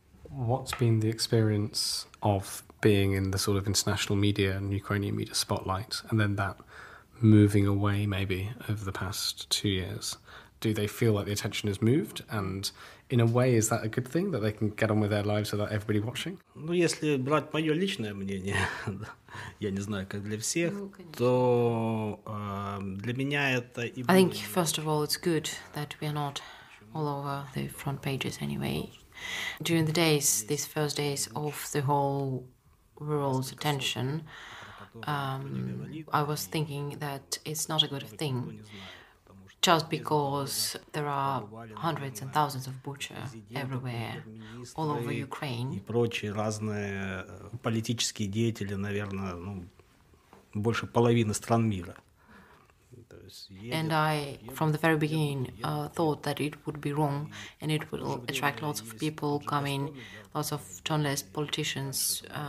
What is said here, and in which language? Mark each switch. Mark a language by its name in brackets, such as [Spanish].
[English] What's been the experience of being in the sort of international media and Ukrainian media spotlight, and then that moving away maybe over the past 2 years? Do they feel like the attention has moved? And in a way, is that a good thing, that they can get on with their lives without everybody watching? [Russian] Ну, если брать моё личное мнение, я не знаю, как для всех, то для меня это... [English] I think, first of all, it's good that we are not all over the front pages anyway. During the days, these first days of the whole world's attention, I was thinking that it's not a good thing. Just because there are hundreds and thousands of Bucha everywhere, all over Ukraine. [Russian] И прочие разные политические деятели, наверное, ну, больше половины стран мира. [English] And I, from the very beginning, thought that it would be wrong and it would attract lots of people coming, lots of journalists, politicians.